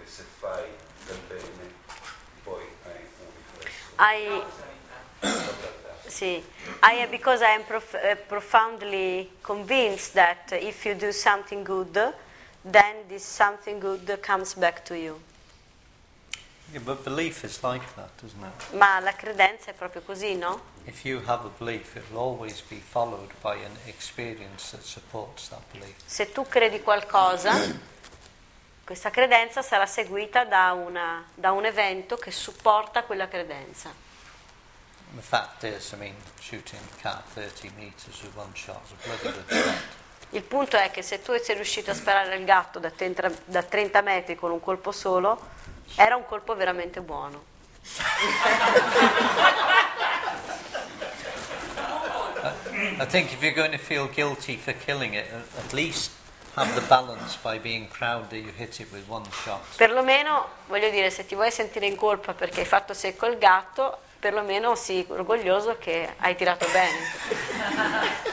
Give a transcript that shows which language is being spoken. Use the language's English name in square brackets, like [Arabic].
[Italian] Se fai del bene, poi hai un riflesso. [English] Because I am profoundly convinced that if you do something good, then this something good comes back to you. Yeah, but belief is like that, isn't it? [Italian] Ma la credenza è proprio così, no? [English] If you have a belief, it will always be followed by an experience that supports that belief. [Italian] Se tu credi qualcosa. Questa credenza sarà seguita da un evento che supporta quella credenza. [English] The fact is, I mean, shooting a cat 30 meters with one shot is a bloody good shot. [Italian] Il punto è che se tu sei riuscito a sparare il gatto da 30 metri con un colpo solo, era un colpo veramente buono. [English] I think if you're going to feel guilty for killing it, at least have the balance by being proud that you hit it with one shot. [Italian] Perlomeno, voglio dire, se ti vuoi sentire in colpa perché hai fatto secco il gatto, perlomeno sii orgoglioso che hai tirato bene.